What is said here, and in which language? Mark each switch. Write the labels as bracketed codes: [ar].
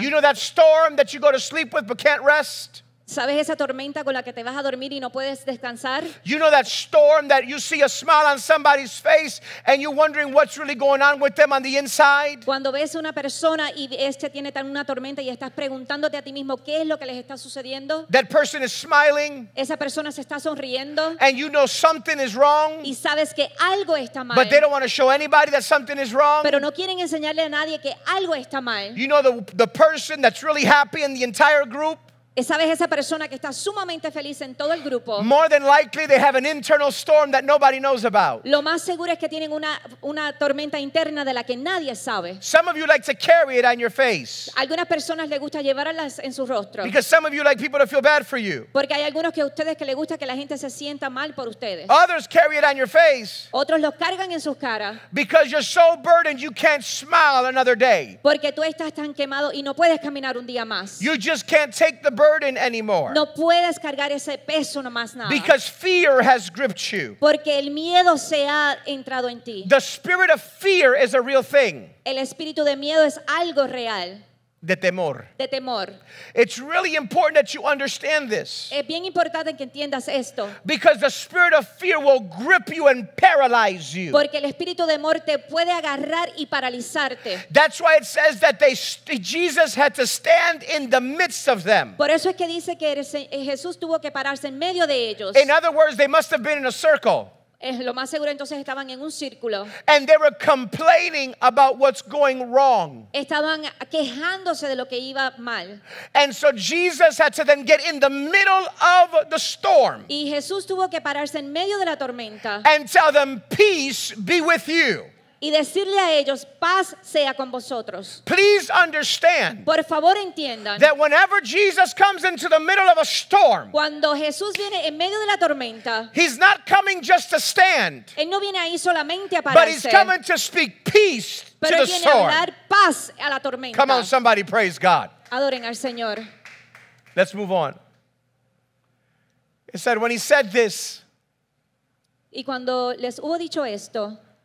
[en] You know that storm that you go to sleep with but can't rest? [es] ¿Sabes esa tormenta con la que te vas a dormir y no puedes descansar? [en] You know that storm that you see a smile on somebody's face and you're wondering what's really going on with them on the inside? [es] Cuando ves a una persona y este tiene tan una tormenta y estás preguntándote a ti mismo qué es lo que les está sucediendo? [en] That person is smiling. [es] Esa persona se está sonriendo. [en] And you know something is wrong. [es] Y sabes que algo está mal. [en] But they don't want to show anybody that something is wrong. [es] Pero no quieren enseñarle a nadie que algo está mal. [en] You know the person that's really happy in the entire group? [es] ¿Sabes esa persona que está sumamente feliz en todo el grupo? [en] More than likely they have an internal storm that nobody knows about. [es] Lo más seguro es que tienen una tormenta interna de la que nadie sabe. [en] Some of you like to carry it on your face. [es] Algunas personas les gusta llevarlas en su rostro. [en] Because some of you like people to feel bad for you. [es] Porque hay algunos que a ustedes que les gusta que la gente se sienta mal por ustedes. [en] Others carry it on your face. [es] Otros los cargan en sus caras. [en] Because you're so burdened you can't smile another day. [es] Porque tú estás tan quemado y no puedes caminar un día más. [en] You just can't take the burden anymore. [es] No puedes cargar ese peso nomás nada. [en] Because fear has gripped you. [es] Porque el miedo se ha entrado en ti. [en] The spirit of fear is a real thing. [es] El espíritu de miedo es algo real. De temor. De temor. [en] It's really important that you understand this. [es] Es bien importante que entiendas esto. [en] Because the spirit of fear will grip you and paralyze you. [es] Porque el espíritu de temor te puede agarrar y paralizarte. [en] That's why it says that Jesus had to stand in the midst of them. [es] Por eso es que dice que Jesús tuvo que pararse en medio de ellos. [en] In other words, they must have been in a circle. [es] Lo más seguro entonces estaban en un círculo. [en] And they were complaining about what's going wrong. [es] Estaban quejándose de lo que iba mal. [en] And so Jesus had to then get in the middle of the storm. [es] Y Jesús tuvo que pararse en medio de la tormenta. [en] And tell them, peace be with you. [es] Y decirle a ellos, paz sea con vosotros. [en] Please understand. [es] Por favor, entiendan. [en] That whenever Jesus comes into the middle of a storm. [es] Cuando Jesús viene en medio de la tormenta. [en] He's not coming just to stand. [es] Él no viene ahí solamente a pararse. [en] But he's coming to speak peace to the storm. [es] Pero viene a dar paz a la tormenta. [en] Come on, somebody praise God. [es] Adoren al Señor. [en] Let's move on. It said when he said this. [es] Y cuando les hubo dicho esto,